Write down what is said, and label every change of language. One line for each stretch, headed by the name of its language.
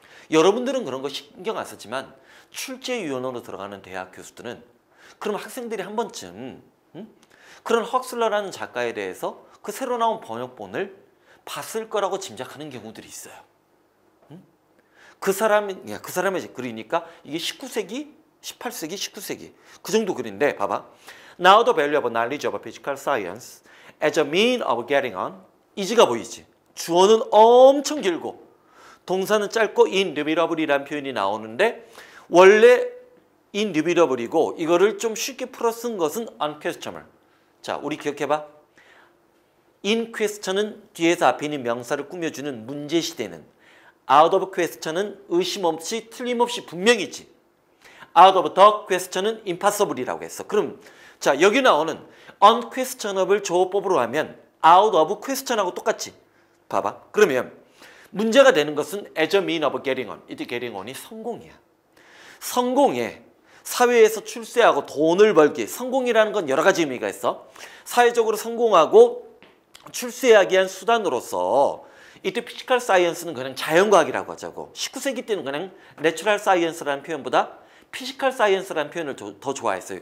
Korean: 여러분들은 그런 거 신경 안 썼지만 출제위원으로 들어가는 대학 교수들은 그럼 학생들이 한 번쯤 그런 헉슬러라는 작가에 대해서 그 새로 나온 번역본을 봤을 거라고 짐작하는 경우들이 있어요. 그 사람이 그 사람의 그리니까 이게 19세기, 18세기, 19세기 그 정도 글인데 봐봐.
English: Now the value of knowledge of physical science as a means of getting on.
Korean: 이지가 보이지? 주어는 엄청 길고 동사는 짧고 indubitable이라는 표현이 나오는데 원래 indubitable이고 이거를 좀 쉽게 풀어 쓴 것은 unquestionable. 자, 우리 기억해봐. In question은 뒤에서 앞에 있는 명사를 꾸며주는 문제시대는 out of question은 의심 없이 틀림없이 분명이지.
English: out of the question은 impossible이라고 했어.
Korean: 그럼 자 여기 나오는 unquestionable 조어법으로 하면 out of question하고 똑같지. 봐봐. 그러면 문제가 되는 것은
English: as a mean of getting on.
Korean: 이때 getting on이 성공이야. 성공에 사회에서 출세하고 돈을 벌기. 성공이라는 건 여러 가지 의미가 있어. 사회적으로 성공하고 출세하기 위한 수단으로서 이때 피지컬 사이언스는 그냥 자연과학이라고 하자고. 19세기 때는 그냥 내추럴 사이언스라는 표현보다 피지컬 사이언스라는 표현을 더 좋아했어요.